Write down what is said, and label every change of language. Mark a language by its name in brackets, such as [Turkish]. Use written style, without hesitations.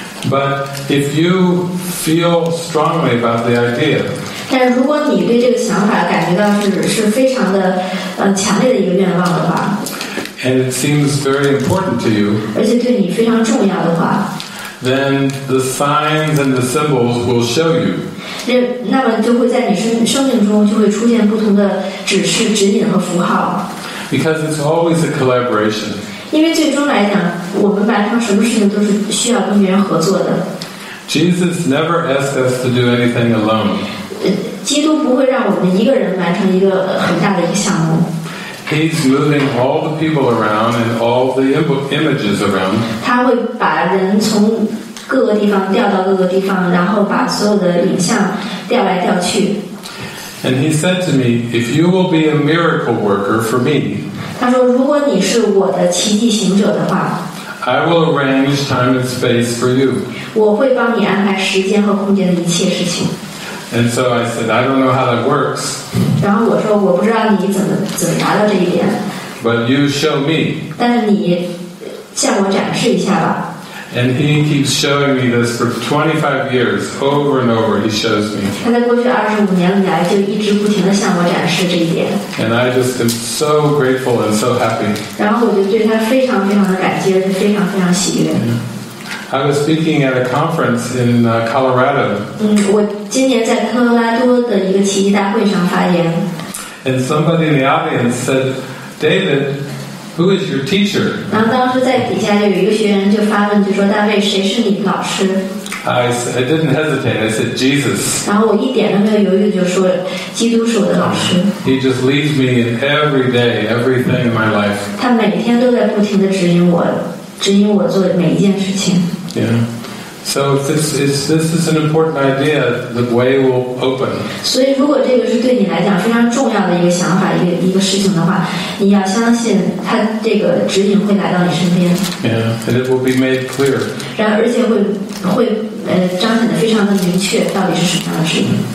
[English] But if you feel strongly about the idea, [Chinese] 但如果你对这个想法感觉到是非常的强烈的一个愿望的话 [English] ，and it seems very important to you， [Chinese] 而且对你非常重要的话 [English] ，then the signs and the symbols will show you。 [Chinese] 那么就会在你生命中就会出现不同的指示、指引和符号。 [English] Because it's always a collaboration。 [Chinese] 因为最终来讲，我们完成什么事情都是需要跟别人合作的。 [English] Jesus never asked us to do anything alone。 [Chinese] 基督不会让我们一个人完成一个很大的一个项目。 [English] He's moving all the people around and all the images around. [Chinese] 他会把人从各个地方调到各个地方，然后把所有的影像调来调去。 [English] And he said to me, "If you will be a miracle worker for me," [Chinese] 他说，如果你是我的奇迹行者的话 [English] ，I will arrange time and space for you. [Chinese] 我会帮你安排时间和空间的一切事情。 [English] And so I said, I don't know how that works. [Chinese] 然后我说我不知道你怎么达到这一点。 [English] But you show me. [Chinese] 但是你向我展示一下吧。 [English] And he keeps showing me this for 25 years, over and over. He shows me. [Chinese] 他在过去25年来就一直不停地向我展示这一点。 [English] And I just am so grateful and so happy. [Chinese] 然后我就对他非常非常的感激，而且非常非常喜悦。 [English] Yeah. I was speaking at a conference in Colorado. [Chinese] 我今年在科罗拉多的一个奇迹大会上发言。 [English] And somebody in the audience said, David, who is your teacher? [Chinese] 然后当时在底下就有一个学员就发问，就说大卫，谁是你的老师？ [English] I didn't hesitate. I said Jesus. [Chinese] 然后我一点都没有犹豫，就说基督是我的老师。 [English] He just leads me in every day, everything in my life. [Chinese] 他每天都在不停地指引我，指引我做每一件事情。 [English] Yeah. So if this is an important idea, the way will open. [Chinese] 所以如果这个是对你来讲非常重要的一个想法，一个事情的话，你要相信它这个指引会来到你身边。 [English] Yeah, and it will be made clear. [Chinese] 然后而且会彰显得非常的明确，到底是什么样的指引。